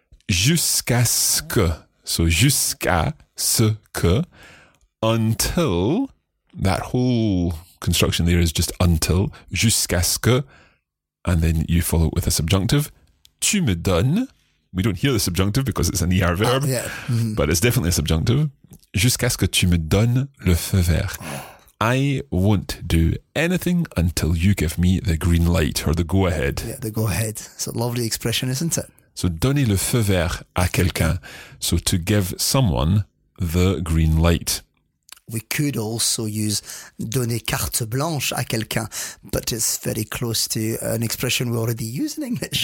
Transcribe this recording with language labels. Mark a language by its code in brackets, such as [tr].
[fr] Jusqu'à ce que. So jusqu'à ce que. [en] Until. That whole construction there is just until. [fr] Jusqu'à ce que. [en] And then you follow it with a subjunctive. [fr] Tu me donnes. [en] We don't hear the subjunctive because it's an ER verb. Yeah. Mm-hmm. But it's definitely a subjunctive. [fr] Jusqu'à ce que tu me donnes le feu vert. [en] I won't do anything until you give me the green light or the go-ahead. Yeah, the go-ahead. It's a lovely expression, isn't it? So [fr] donner le feu vert à quelqu'un. [en] So to give someone the green light. We could also use [fr] donner carte blanche à quelqu'un, [en] but it's very close to an expression we already use in English.